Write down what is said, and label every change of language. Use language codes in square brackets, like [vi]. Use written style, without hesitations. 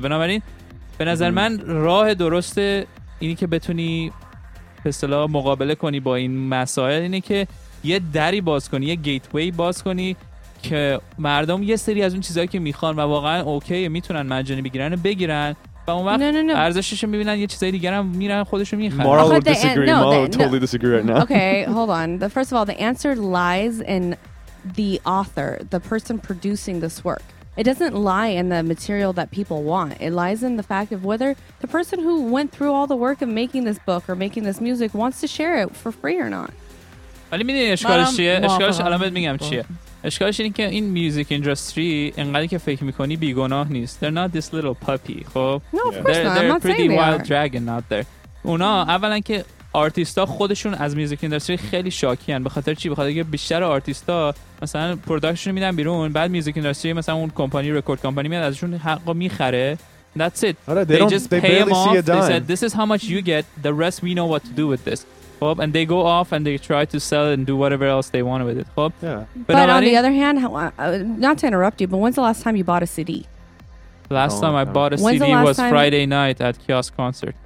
[fa] بنابراین به نظر من راه درسته اینی که بتونی به اصطلاح مقابله کنی با این مسائل اینه که یه دری باز کنی, یه گیت وی باز کنی که مردم یه سری از اون چیزایی که میخوان و واقعا اوکی میتونن مجانی بگیرن بگیرن و اون وقت ارزشش رو میبینن, یه چیزای دیگه هم میرن خودشو میخرن. [en] Moral would disagree. Moral would totally disagree right now. Okay, hold on. The first of all, the answer lies in the author, the person producing this work. It doesn't lie in the material that people want. It lies in the fact of whether the person who went through all the work of making this book or making this music wants to share it for free or not. [fa] ولی میدونی اشکالش چیه؟ اشکالش الان بهت میگم چیه. اشکالش اینه که این میوزیک اندستری انقدر که فکر میکنی بیگناه نیست. [en] They're not this little puppy. [fa] خب [en] no, yeah. They're pretty wild they dragon out there. [fa] اونا اولا که آرتیستا خودشون از میوزیک اندستری خیلی شاکی هن. بخاطر چی؟ بخاطر که بیشتر آرتیستا مثلا پروداکشن میدن بیرون, بعد میوزیک اندستری مثلا اون کمپانی رکورد کمپانی میاد ازشون حق رو میخره. [en] That's it. Right, they just pay them off. They said this is how much you get, the rest we know what to do with this. And they go off and they try to sell it and do whatever else they want with it. Yeah. But on the other hand, not to interrupt you, but when's the last time you bought a CD? Last time I bought a CD was Friday night at Kiosk Concert.